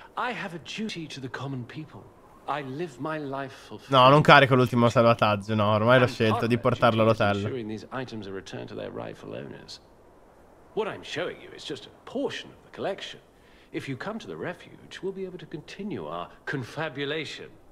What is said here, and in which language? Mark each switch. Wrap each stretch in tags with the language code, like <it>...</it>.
<en>I have a duty to the common people. I live my life for.</en> <it>No, non carico l'ultimo salvataggio, no, ormai l'ho scelto di portarlo all'hotel.</it> <en>These items are returned to their rightful owners. What I'm showing you is just a portion of the collection. If you come to the refuge, we'll be able to continue our confabulation.</en>